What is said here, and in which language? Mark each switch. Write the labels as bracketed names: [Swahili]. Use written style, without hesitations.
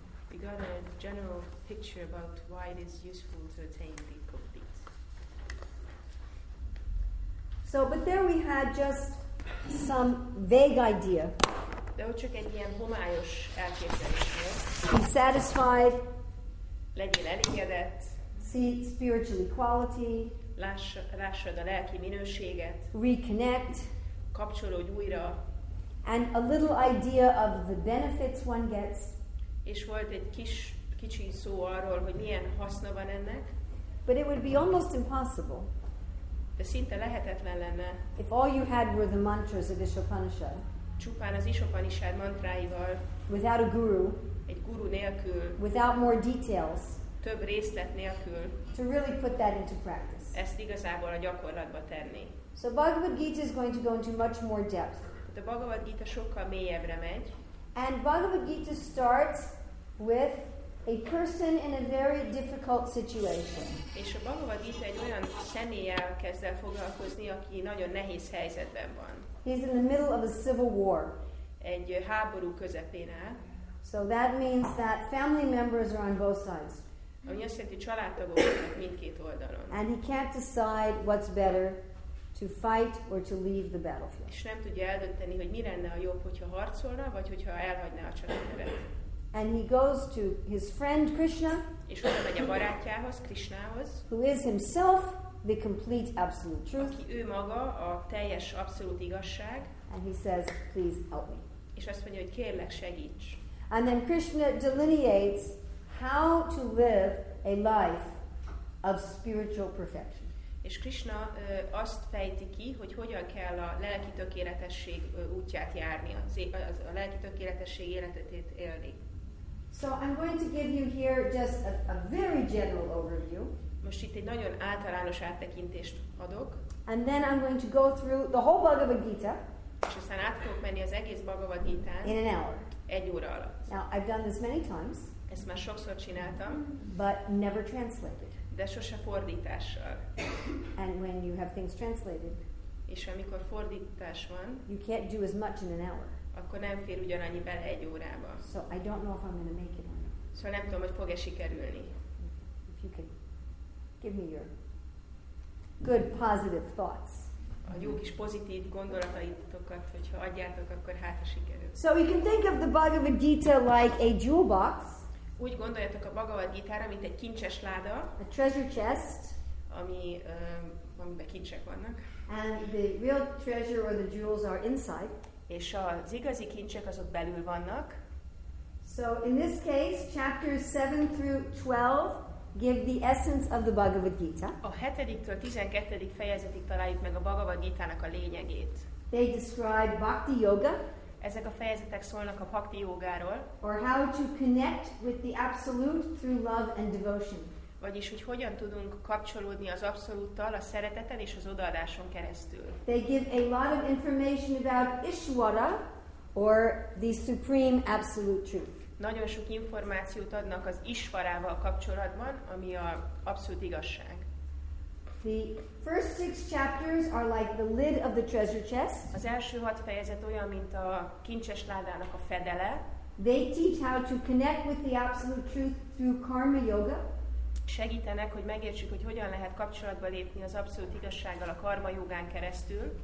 [English] We got a general picture about why it is useful to attain the complete. So, but there we had just some vague idea. [Hungarian] De ott csak egy ilyen homályos elképzelés. [English] Be satisfied. [Hungarian] Legyél elégedett. [English] See spiritual equality. [Hungarian] Lássad a lelki minőséget. [English] Reconnect. [Hungarian] Kapcsolódj újra. [English] And a little idea of the benefits one gets. [Hungarian] És volt egy kicsi szó arról, hogy milyen haszna van ennek. [English] But it would be almost impossible. [Hungarian] De szinte lehetetlen lenne. [English] If all you had were the mantras of Isopanishad. [Hungarian] Csupán az Isopanishad mantráival. [English] Without a guru. [Hungarian] Egy guru nélkül. [English] Without more details. [Hungarian] Több részlet nélkül. [English] To really put that into practice. [Hungarian] Ezt igazából a gyakorlatba tenni. [English] So Bhagavad Gita is going to go into much more depth. [Hungarian] De Bhagavad Gita sokkal mélyebbre megy. [English] And Bhagavad Gita starts with a person in a very difficult situation. [Hungarian] És a Bhagavad Gita egy olyan személlyel kezd el foglalkozni, aki nagyon nehéz helyzetben van. [English] He's in the middle of a civil war. [Hungarian] Egy háború közepén áll. [English] So that means that family members are on both sides. [Hungarian] Ami azt jelenti, családtagok vannak mindkét oldalon. [English] And he can't decide what's better. To fight or to leave the battlefield. [Hungarian] És nem tudja eldönteni, hogy mi lenne a jobb, hogyha harcolna, vagy hogyha elhagyná a családterületet. [English] And he goes to his friend Krishna. [Hungarian] És oda megy a barátjához, Krishnához. [English] Who is himself the complete absolute truth. [Hungarian] Aki ő maga a teljes abszolút igazság. [English] And he says, please help me. [Hungarian] És azt mondja, hogy kérlek segíts. [English] And then Krishna delineates how to live a life of spiritual perfection. [Hungarian] És Krishna azt fejti ki, hogy hogyan kell a lelki tökéletesség útját járni, a lelki tökéletesség életét élni. [English] So I'm going to give you here just a very general overview. [Hungarian] Most itt egy nagyon általános áttekintést adok. [English] And then I'm going to go through the whole Bhagavad Gita. [Hungarian] És aztán át fogok menni az egész Bhagavad Gita-n. [English] In an hour. [Hungarian] Egy óra alatt. [English] Now I've done this many times. [Hungarian] Ezt már sokszor csináltam. [English] But never translated. [Hungarian] De sose fordítással. [English] And when you have things translated, [Hungarian] és amikor fordítás van, [English] you can't do as much in an hour. [Hungarian] Akkor nem fér ugyanannyi bele egy órába. [English] So I don't know if I'm going to make it. [Hungarian] Szóval nem tudom, hogy fog-e sikerülni. [English] If you could give me your good positive thoughts. [Hungarian] A jó kis pozitív gondolataitokat, hogyha adjátok, akkor hát a sikerül. [English] So you can think of the Bhagavad Gita like a jewel box. [Hungarian] Úgy gondoljatok a Bhagavad Gita-ra, mint egy kincses láda. [English] A treasure chest. [Hungarian] Amiben kincsek vannak. [English] And the real treasure or the jewels are inside. [Hungarian] És az igazi kincsek azok belül vannak. [English] So in this case, chapters 7 through 12 give the essence of the Bhagavad Gita. [Hungarian] A 7-től 12. fejezetig találjuk meg a Bhagavad Gita-nak a lényegét. [English] They describe bhakti yoga. [Hungarian] Ezek a fejezetek szólnak a bhakti jogáról. [English] Or how to connect with the absolute through love and devotion. [Hungarian] Vagyis, hogy hogyan tudunk kapcsolódni az abszolúttal, a szereteten és az odaadáson keresztül. [English] They give a lot of information about Ishvara, or the supreme absolute truth. [Hungarian] Nagyon sok információt adnak az Ishvarával kapcsolatban, ami a abszolút igazság. [English] The first six chapters are like the lid of the treasure chest. [Hungarian] Az első hat fejezet olyan, mint a kincses ládának a fedele. [English] They teach how to connect with the absolute truth through karma yoga. [Hungarian] Segítenek, hogy megértsük, hogy hogyan lehet kapcsolatba lépni az abszolút igazsággal a karma jogán keresztül.